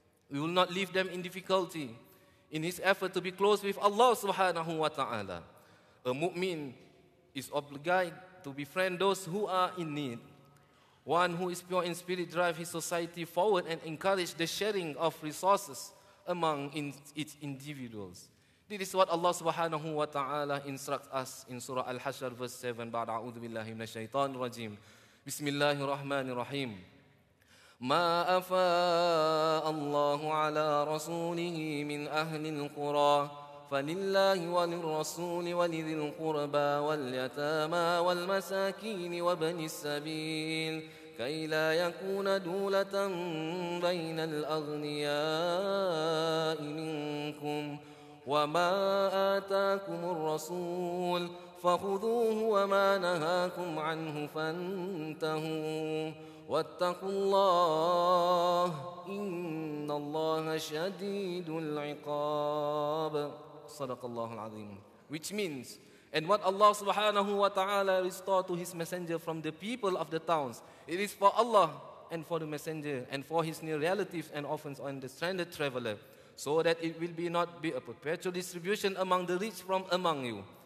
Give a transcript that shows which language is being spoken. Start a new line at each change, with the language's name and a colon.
English: We will not leave them in difficulty in his effort to be close with Allah subhanahu wa ta'ala. A mu'min is obligated to befriend those who are in need. One who is pure in spirit drives his society forward and encourages the sharing of resources among its individuals. This is what Allah subhanahu wa ta'ala instructs us in Surah Al-Hashr verse 7.
Arabic: بعد أعوذ بالله من الشيطان الرجيم بسم الله الرحمن الرحيم ما أفاء الله على رسوله من أهل القرى فلله وللرسول ولذي القربى واليتامى والمساكين وابن السبيل كي لا يكون دولة بين الأغنياء منكم وما آتاكم الرسول فخذوه وما نهاكم عنه فانتهوا واتقوا الله إن الله شديد العقاب صدق الله العظيم.
English: Which means, and what Allah subhanahu wa ta'ala restored to his messenger from the people of the towns, it is for Allah and for the messenger and for his near relatives and orphans and the stranded traveler, so that it will be not be a perpetual distribution among the rich from among you.